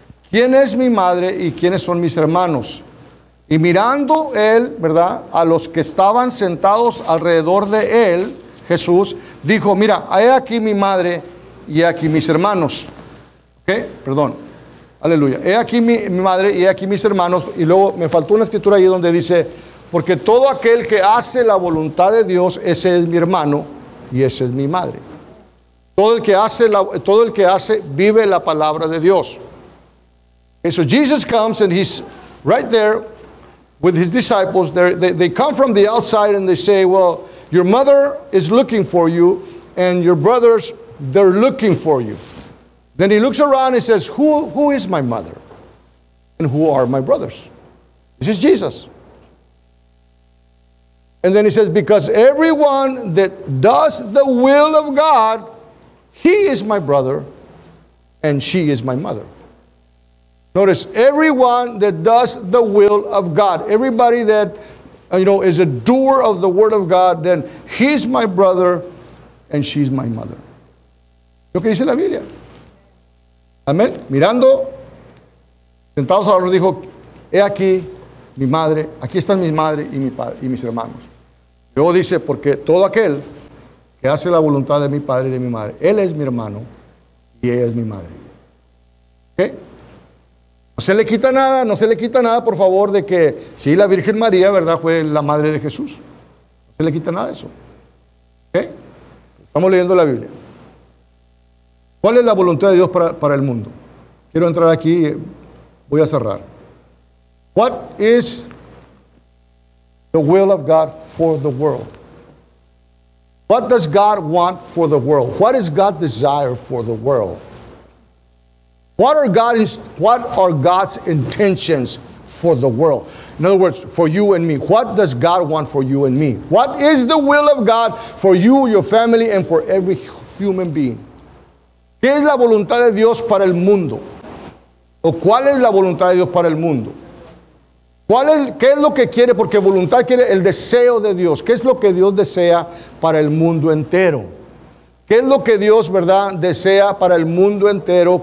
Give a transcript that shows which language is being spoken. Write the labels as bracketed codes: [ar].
[es] ¿Quién es mi madre y quiénes son mis hermanos? Y mirando él, ¿verdad?, a los que estaban sentados alrededor de él, Jesús, dijo, mira, he aquí mi madre y he aquí mis hermanos. ¿Ok? Perdón. Aleluya. He aquí mi madre y he aquí mis hermanos. Y luego me faltó una escritura ahí donde dice, porque todo aquel que hace la voluntad de Dios, ese es mi hermano y ese es mi madre. Todo el que hace vive la palabra de Dios. [en] Okay, so Jesus comes and he's right there with his disciples. They come from the outside and they say, well, your mother is looking for you and your brothers, they're looking for you. Then he looks around and says, who is my mother and who are my brothers? This is Jesus. And then he says, because everyone that does the will of God, he is my brother and she is my mother. Notice, everyone that does the will of God, everybody that, you know, is a doer of the word of God, then he's my brother and she's my mother. [es] Lo que dice la Biblia. Amén. Mirando, sentados a los dijo, he aquí mi madre, aquí están mi madre y mi padre y mis hermanos. Luego dice, porque todo aquel que hace la voluntad de mi padre y de mi madre, él es mi hermano y ella es mi madre. ¿Ok? No se le quita nada, por favor, de que sí, la Virgen María, ¿verdad?, fue la madre de Jesús. No se le quita nada de eso. ¿Ok? Estamos leyendo la Biblia. ¿Cuál es la voluntad de Dios para el mundo? Quiero entrar aquí, voy a cerrar. [en] What is the will of God for the world? What does God want for the world? What is God's desire for the world? What are God's intentions for the world? In other words, for you and me. What does God want for you and me? What is the will of God for you, your family, and for every human being? [es] ¿Qué es la voluntad de Dios para el mundo? ¿O cuál es la voluntad de Dios para el mundo? ¿Qué es lo que quiere? Porque voluntad quiere el deseo de Dios. ¿Qué es lo que Dios desea para el mundo entero? ¿Qué es lo que Dios, verdad, desea para el mundo entero?